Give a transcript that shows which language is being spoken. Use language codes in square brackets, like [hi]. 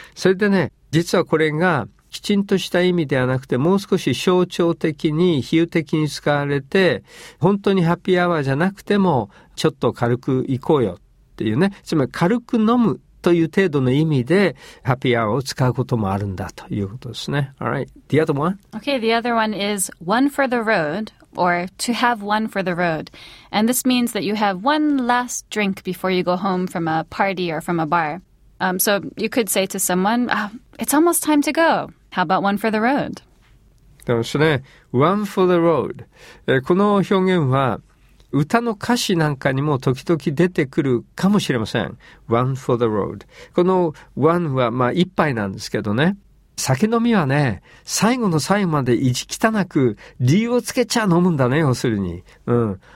[ja] それでね、実はこれがきちんとした意味ではなくて、もう少し象徴的に、比喩的に使われて、本当にハッピーアワーじゃなくても、ちょっと軽く行こうよっていうね。つまり、軽く飲むという程度の意味で、ハッピーアワーを使うこともあるんだということですね。 [en] All right. The other one? Okay, the other one is one for the road. Or to have one for the road. And this means that you have one last drink before you go home from a party or from a bar. So you could say to someone, it's almost time to go. How about one for the road? [ja] そうですね。 [en] One for the road. [ja] この表現は歌の歌詞なんかにも時々出てくるかもしれません。 [en] One for the road. [ja] この one はまあ一杯なんですけどね。酒飲みはね、最後の最後まで意地汚く理由をつけちゃ飲むんだね、要するに。うん。